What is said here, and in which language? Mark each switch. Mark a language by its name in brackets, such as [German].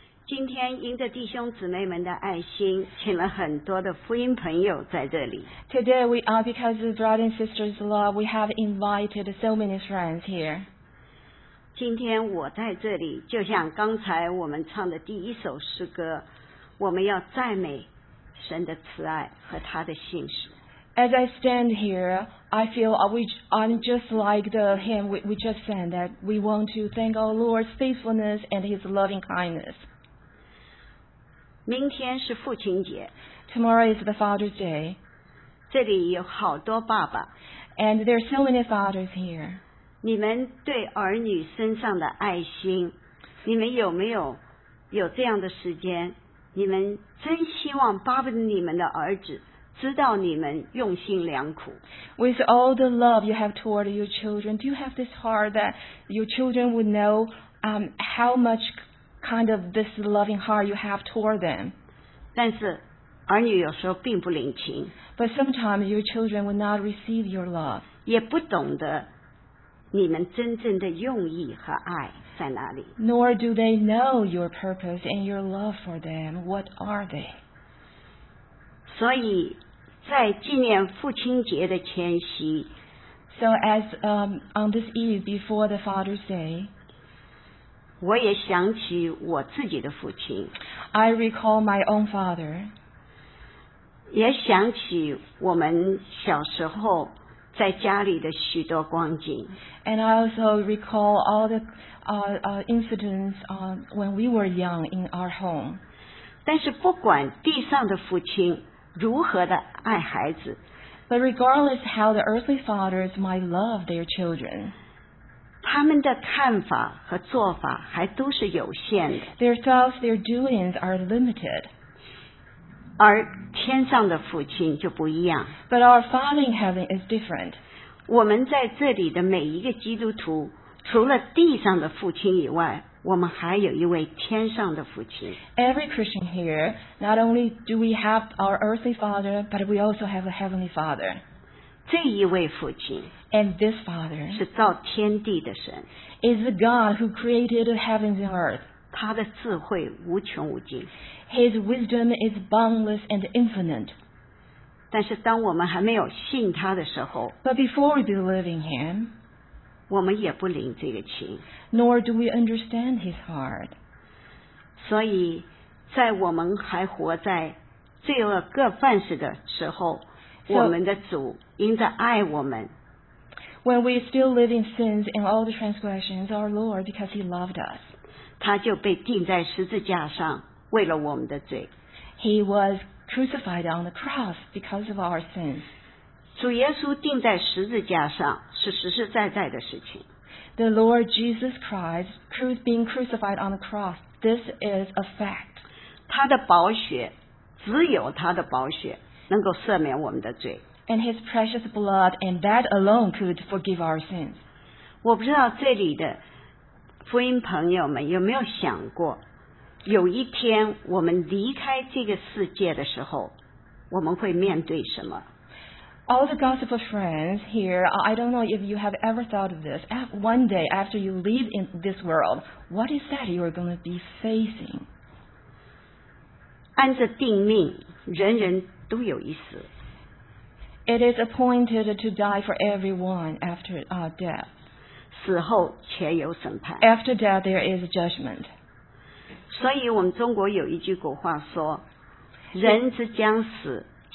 [Chinese] 今天迎着弟兄姊妹们的爱心，请了很多的福音朋友在这里。 [English] Today we are because of brothers and sisters' love, we have invited so many friends here. [Chinese] 今天我在这里，就像刚才我们唱的第一首诗歌，我们要赞美神的慈爱和他的信实。 [English] As I stand here, I feel I'm just like the hymn we just sang, that we want to thank our Lord's faithfulness and His loving kindness. [Chinese] 明天是父亲节。 [English] Tomorrow is the Father's Day. [Chinese] 这里有好多爸爸。 [English] And there are so many fathers here. [Chinese] 你们对儿女身上的爱心，你们有没有这样的时间？你们真希望巴不得你们的儿子知道你们用心良苦。 [English] With all the love you have toward your children, do you have this heart that your children would know how much kind of this loving heart you have toward them? [Chinese] 但是儿女有时候并不领情。 [English] But sometimes your children would not receive your love. [Chinese] 也不懂得你们真正的用意和爱在哪里。 [English] Nor do they know your purpose and your love for them. What are they? [Chinese] 所以在纪念父亲节的前夕 [English] So as on this eve before the Father's Day [Chinese] 我也想起我自己的父亲 [English] I recall my own father [Chinese] 也想起我们小时候在家里的许多光景 [English] And I also recall all the incidents when we were young in our home [Chinese] 但是不管地上的父亲如何的爱孩子 [English] But regardless how the earthly fathers might love their children, [Chinese] 他们的看法和做法还都是有限的 [English] Their thoughts, their doings are limited. [Chinese] 而天上的父亲就不一样 [English] But our Father in heaven is different. [Chinese] 我们在这里的每一个基督徒，除了地上的父亲以外我们还有一位天上的父亲。 [English] Every Christian here, not only do we have our earthly father, but we also have a heavenly father. [Chinese] 这一位父亲 [English] And this father [Chinese] 是造天地的神 [English] is the God who created the heavens and earth. [Chinese] 他的智慧无穷无尽 [English] His wisdom is boundless and infinite. [Chinese] 但是当我们还没有信他的时候 [English] But before we believe in him, [Chinese] 我们也不领这个情 [English] Nor do we understand his heart. [Chinese] 所以在我们还活在罪恶各范式的时候 [English] so, [Chinese] 我们的主因着爱我们 [English] When we still live in sins and all the transgressions, our Lord, because he loved us, [Chinese] 他就被钉在十字架上为了我们的罪 [English] He was crucified on the cross because of our sins. [Chinese] 主耶稣钉在十字架上是实实在在的事情。 [English] The Lord Jesus Christ being crucified on the cross, this is a fact. [Chinese] 他的宝血，只有他的宝血能够赦免我们的罪。 [English] And his precious blood and that alone could forgive our sins. [Chinese] 我不知道这里的福音朋友们有没有想过，有一天我们离开这个世界的时候，我们会面对什么？ [English] All the gospel friends here, I don't know if you have ever thought of this. One day after you leave in this world, what is that you are going to be facing? [Chinese] 按着定命，人人都有一死。 [English] It is appointed to die for everyone after death. [Chinese] 死后且有审判。 [English] After death, there is judgment. [Chinese] 所以我们中国有一句古话说，人之将死。